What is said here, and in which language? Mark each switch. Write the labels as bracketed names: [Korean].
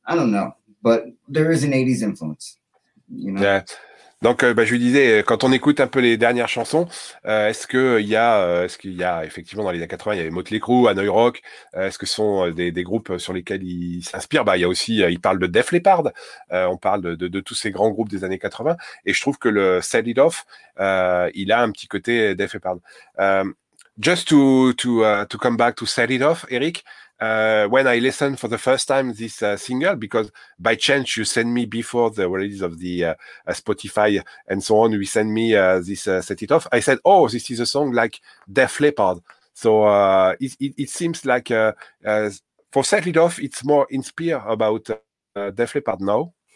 [English] I don't know, but there is an 80s influence, you know? Yeah. [French] Donc, je lui disais, quand on écoute un peu les dernières chansons, est-ce qu'il y a effectivement dans les années 80, il y avait Motley Crue, Hanoi Rock, est-ce que ce sont des groupes sur lesquels il s'inspire? Bah, il y a aussi, il parle de Def Leppard, on parle de tous ces grands groupes des années 80, et je trouve que le Set It Off, il a un petit côté Def Leppard. [English] Just to come back to Set It Off, Eric. When I listened for the first time this single, because by chance you sent me before the release of the Spotify and so on, we sent me this Set It Off. I said, "Oh, this is a song like Def Leppard." So it seems like for Set It Off, it's more inspired about Def Leppard now.